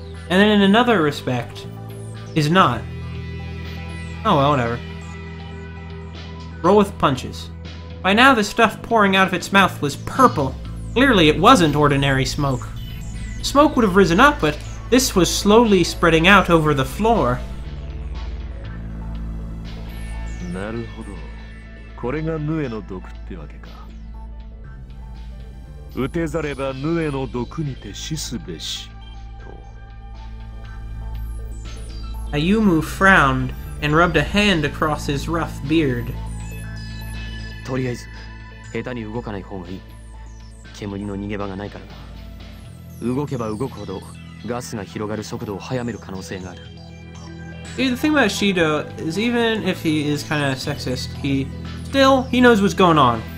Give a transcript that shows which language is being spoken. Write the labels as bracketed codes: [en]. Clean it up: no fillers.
[en] And then in another respect, is not. Oh well, whatever. Roll with punches. By now, the stuff pouring out of its mouth was purple. Clearly, it wasn't ordinary smoke. Smoke would have risen up, but this was slowly spreading out over the floor. [ja] なるほど. これがヌエの毒ってわけか。撃てざればヌエの毒にて死すべしと。 [en] Ayumu frowned and rubbed a hand across his rough beard. [ja] とりあえず、下手に動かない方がいい。煙の逃げ場がないからな。動けば動くほど、ガスが広がる速度を速める可能性がある。 [en] The thing about Shido is even if he is kind of sexist, he still, he knows what's going on.